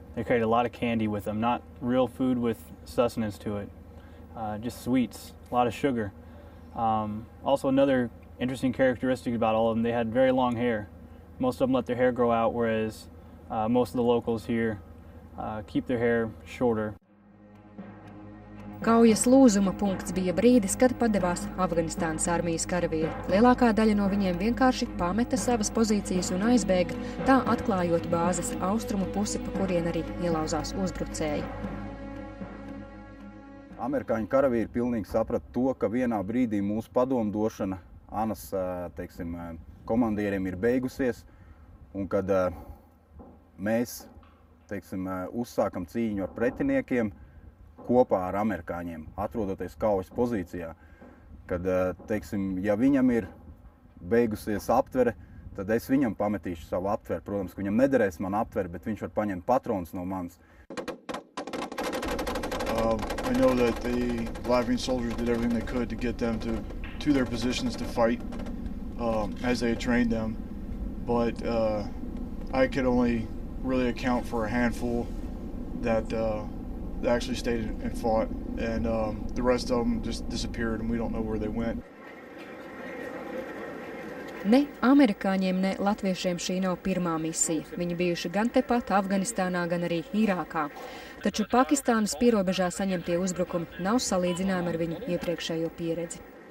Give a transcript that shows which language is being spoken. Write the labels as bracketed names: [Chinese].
[English] They carried a lot of candy with them, not real food with sustenance to it, just sweets, a lot of sugar. Also, another interesting characteristic about all of them, they had very long hair. Most of them let their hair grow out, whereas most of the locals here keep their hair shorter. [Latvian] Kaujas lūzuma punkts bija brīdis, kad padevās Afganistānas armijas karavīri. Lielākā daļa no viņiem vienkārši pameta savas pozīcijas un aizbēga, tā atklājot bāzes austrumu pusi, pa kurien arī ielauzās uzbrucēji. Amerikāņu karavīri pilnīgi saprata to, ka vienā brīdī mūsu padomdošana Anas, teiksim, komandieriem ir beigusies, un kad mēs, teiksim, uzsākam cīņu ar pretiniekiem kopā ar amerikāņiem, atrodoties kaujas pozīcijā, kad, teiksim, ja viņam ir beigusies aptvere, tad es viņam pametīšu savu aptveri. Protams, ka viņam nederēs man aptveri, bet viņš var paņemt patronus no manas. [English] I know that the Latvian soldiers did everything they could to get them to their positions to fight as they had trained them, but I could only really account for a handful that actually stayed and fought, and the rest of them just disappeared and we don't know where they went. [Latvian] Ne amerikāņiem, ne latviešiem šī nav pirmā misija. Viņi bijuši gan tepat Afganistānā, gan arī Irākā. Taču Pakistānas pierobežā saņemtie uzbrukumi nav salīdzinājumi ar viņu iepriekšējo pieredzi.